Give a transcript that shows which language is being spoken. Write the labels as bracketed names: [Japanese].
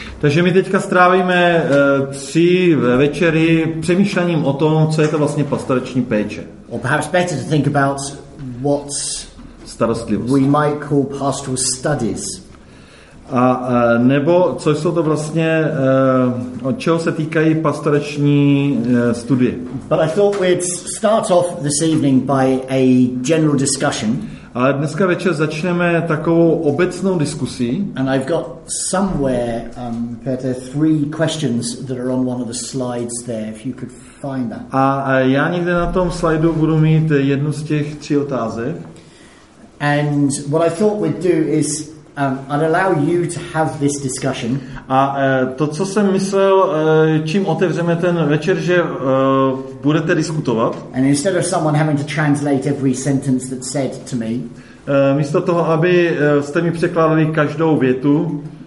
[Czech] Takže my teďka strávíme tři večery přemýšlením o tom, co je to vlastně pastorační péče. [English] Or perhaps better to think about what we might call pastoral studies. [Czech] A nebo co jsou to vlastně od čeho se týkají pastoreční studie. [English] But I thought we'd start off this evening by a general discussion. [Czech] Ale dneska večer začneme takovou obecnou diskusí. [English] And I've got somewhere there three questions that are on one of the slides there, if you could find that. [Czech] A já někde na tom slajdu budu mít jednu z těch tří otázek. [English] And what I thought we'd do is I'd allow you to have this discussion. [Czech] A to, co jsem myslel, čím otevřeme ten večer, že budete diskutovat. [English] And instead of someone having to translate every sentence that said to me. [Czech] Místo toho, aby jste mi překládali každou větu.